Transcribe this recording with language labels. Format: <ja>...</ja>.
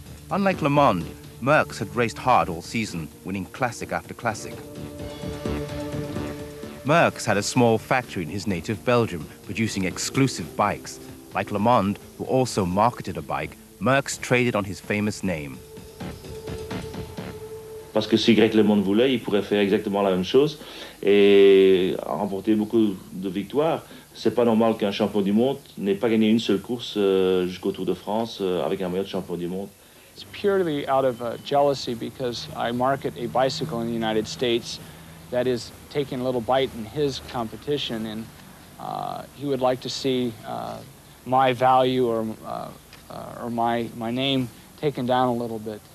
<en>Unlike Le Mans, Merckx had raced hard all season, winning classic after classic. Merckx had a small factory in his native Belgium, producing exclusive bikes. Like Le Mans, who also marketed a bike, Merckx traded on his famous name.</en> <fr>Parce que si Greg LeMond voulait, il pourrait faire exactement la même chose et remporter beaucoup de victoires. C'est pas normal qu'un champion du monde n'ait pas gagné une seule course jusqu'au Tour de France avec un maillot de champion du monde.</fr> <en>It's purely out of jealousy because I market a bicycle in the United States that is taking a little bite in his competition, and he would like to see my value or my name taken down a little bit.</en>